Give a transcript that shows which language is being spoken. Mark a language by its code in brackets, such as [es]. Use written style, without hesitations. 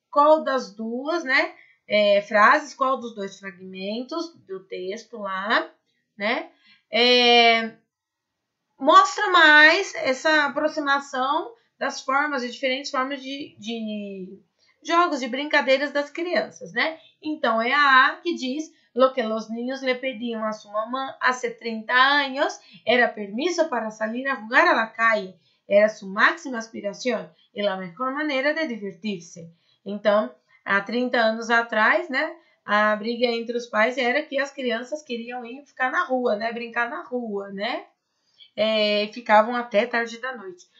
[pt] Qual das duas, né, frases, qual dos dois fragmentos do texto lá, né, mostra mais essa aproximação das formas, de diferentes formas de jogos, de brincadeiras das crianças, né? Então, é a A que diz: [es] Lo que los niños le pedían a su mamá hace 30 años era permiso para salir a jugar a la calle, era su máxima aspiración y la mejor manera de divertirse. [pt] Então, há 30 anos atrás, né, a briga entre os pais era que as crianças queriam ir ficar na rua, né, brincar na rua, né, ficavam até tarde da noite.